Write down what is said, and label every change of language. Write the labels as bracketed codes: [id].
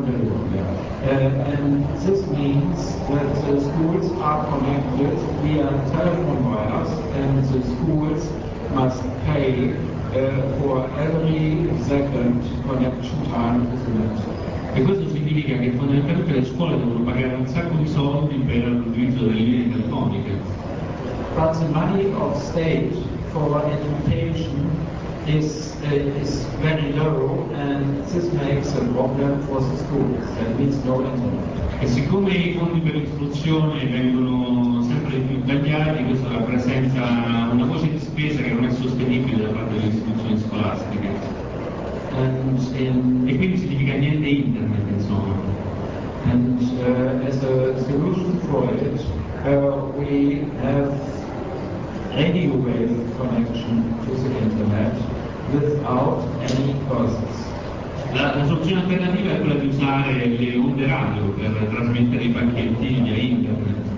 [en] And this means that the schools are connected via telephone wires and the schools must pay for every second connection time with the network. [it] E questo significa che fondamentalmente le scuole devono pagare un sacco di soldi per l'utilizzo delle linee telefoniche. [en] But the money of state for education is very low and this makes a problem for the schools. That means no internet. [it] E siccome i fondi per l'istruzione vengono sempre più tagliati, questo rappresenta una voce di spesa che non è sostenibile da parte delle istituzioni scolastiche. E quindi significa niente internet, insomma. [en] And as a solution for it, we have radio wave connection to the internet without any costs. [it] La soluzione alternativa è quella di usare le onde radio per trasmettere i pacchetti via internet.